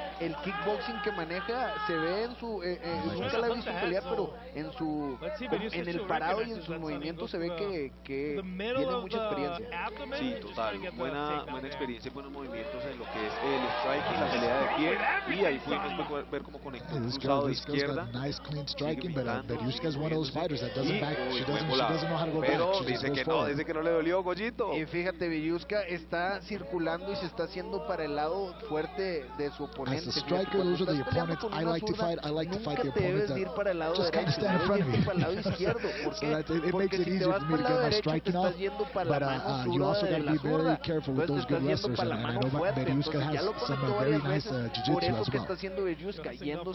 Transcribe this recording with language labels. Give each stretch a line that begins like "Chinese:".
Spanish: El kickboxing que maneja se ve en su nunca la he visto pelear, pero en su en el parado y en sus movimientos se ve que tiene mucha experiencia. Sí, total, buena experiencia, buenos movimientos en lo que es el strike y la pelea de pie. Y ahí pudimos ver cómo conectó el cruzado de izquierda.
English: Nice clean striking, but Berizzo is one of those fighters that doesn't back, she doesn't know how to go back.
Spanish: Pero dice que no, dice que no le dolió, Goyito. Y fíjate, Berizzo está circulando y se está haciendo para el lado fuerte de su oponente.
English: As a striker, those are the opponents I like to fight. I like to fight the opponent that just kind of stand in front of me. So that it makes it easier for me to get my striking off. But you also got to be very careful with those good wrestlers. And I know Berizzo has some very nice jiu-jitsu as well.